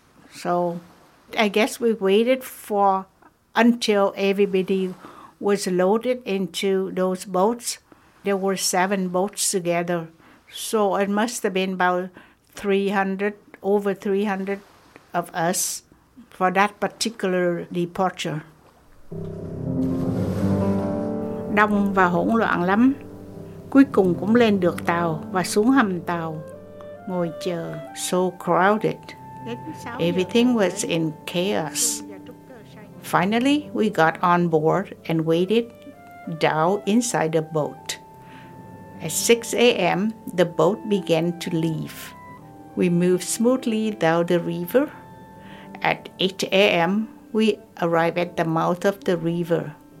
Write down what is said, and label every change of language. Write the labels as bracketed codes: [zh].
[en] So I guess we waited until everybody was loaded into those boats. There were 7 boats together. So it must have been about over 300 of us for that particular departure. [vi] Đông và hỗn loạn lắm. Cuối cùng cũng lên được tàu và xuống hầm tàu, ngồi chờ. [en] So crowded. Everything was in chaos. Finally, we got on board and waited down inside the boat. At 6 a.m., the boat began to leave. We moved smoothly down the river. At 8 a.m., we arrived at the mouth of the river.